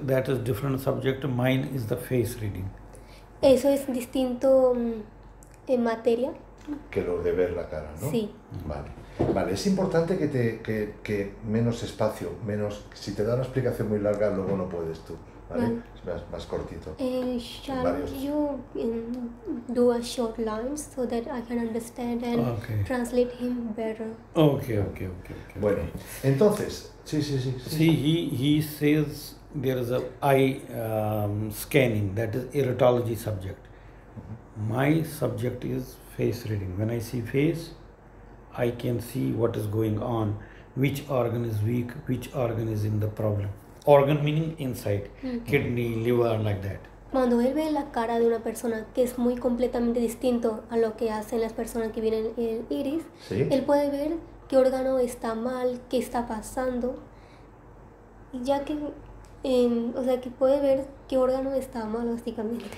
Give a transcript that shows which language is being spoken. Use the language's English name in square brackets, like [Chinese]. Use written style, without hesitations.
[English] That is different subject. Mine is the face reading. [Spanish] Eso es distinto... en materia que lo de ver la cara, ¿no? Sí. Vale, es importante que te que menos espacio, menos si te da una explicación muy larga luego no puedes tú, ¿vale? Es más cortito. [English] You do a short line so that I can understand and translate him better. Okay. [Spanish] Bueno, entonces, sí. [English] Sí, he says there is a eye scanning, that is iritology subject. My subject is face reading. When I see face, I can see what is going on, which organ is weak, which organ is in the problem. Organ meaning inside, kidney, liver, like that. [Spanish] Cuando él ve la cara de una persona que es muy completamente distinto a lo que hacen las personas que vienen en el iris, ¿sí? Él puede ver qué órgano está mal, qué está pasando, ya que... o sea, que puede ver qué órgano está mal, básicamente.